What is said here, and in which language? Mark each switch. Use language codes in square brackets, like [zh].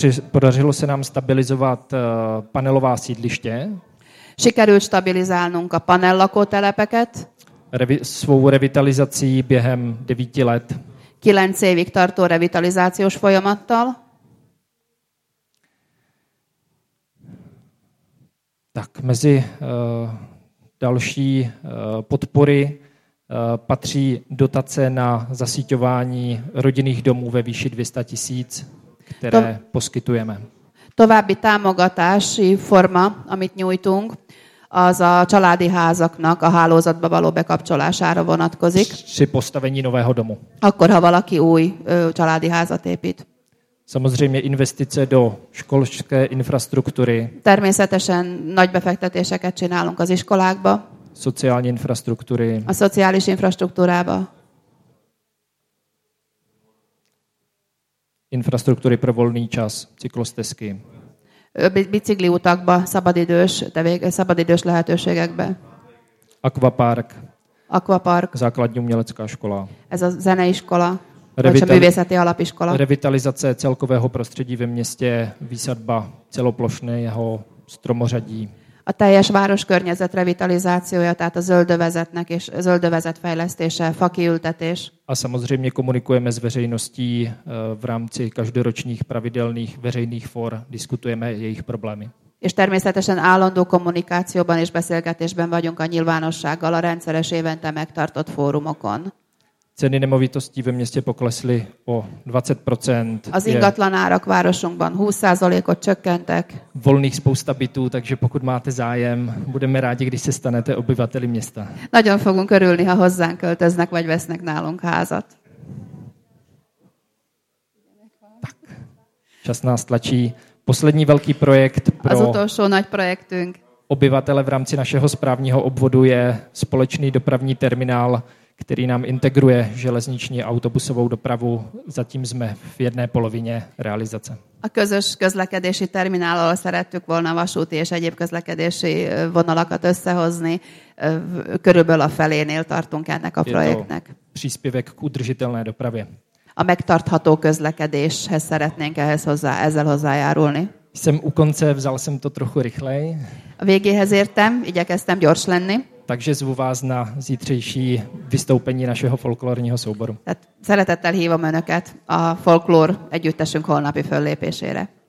[cs] Podařilo se nám stabilizovat panelová sídliště. [hu] Sikerült stabilizálnunk a panel lakótelepeket. [cs] Svou revitalizací během 9 let. [hu] 9 évig tartó revitalizációs folyamattal. [cs] Tak mezi další podpory patří dotace na zasíťování rodinných domů ve výši 200 tisíc, které poskytujeme. [hu] További támogatási forma, amit nyújtunk, az a családi házaknak a hálózatba való bekapcsolására vonatkozik. [cs] Při postavení nového domu. [hu] Akkor, ha valaki új családi házat épít. [cs] Samozřejmě investice do školské infrastruktury. [hu] Természetesen nagy befektetéseket csinálunk az iskolákba. [cs] Sociální infrastruktury. [hu] A szociális infrastruktúrába. [cs] Infrastruktury pro volný čas, cyklostezky. [hu] Bicikli utakba, szabadidős lehetőségekbe. [cs] Akvapark. [hu] Akvapark. [cs] Základní umělecká škola. [hu] Ez a zeneiskola, vagy a művészeti alapiskola. [cs] Revitalizace celkového prostředí ve městě, výsadba celoplošného stromořadí. [hu] A teljes városkörnyezet revitalizációja, tehát a zöldövezetnek és zöldövezet fejlesztése, fakiültetés. [cs] A samozřejmě komunikujeme s veřejností v rámci každoročních pravidelných veřejných for, diskutujeme jejich problémy. [hu] És természetesen állandó kommunikációban és beszélgetésben vagyunk a nyilvánossággal a rendszeres évente megtartott fórumokon. [cs] Ceny nemovitostí ve městě poklesly o 20%. [hu] Az ingatlan árak városunkban 20%-ot csökkentek. [cs] Volných spousta bytů, takže pokud máte zájem, budeme rádi, když se stanete obyvateli města. [hu] Nagyon fogunk örülni, ha hozzánk költöznek, vagy vesznek nálunk házat. [cs] Tak, čas nás tlačí. Poslední velký projekt pro [hu] az utolsó nagy projektünk. [cs] Obyvatele v rámci našeho správního obvodu je společný dopravní terminál, který nám integruje železniční a autobusovou dopravu. Zatím jsme v jedné polovině realizace. [hu] A közös közlekedési terminállal szerettük volna vasúti és egyéb közlekedési vonalakat összehozni. Körülbelül a felénél tartunk ennek a projektnek. [cs] Příspěvek k udržitelné dopravě. [hu] A megtartható közlekedéshez szeretnénk ezzel hozzájárulni. [cs] Jsem u konce, vzal jsem to trochu rychleji. [hu] A végéhez értem, igyekeztem gyors lenni. [cs] Takže zvu vás na zítřejší vystoupení našeho folklorního souboru. [hu] Szeretettel hívom önöket a folklór együttesünk holnapi föllépésére.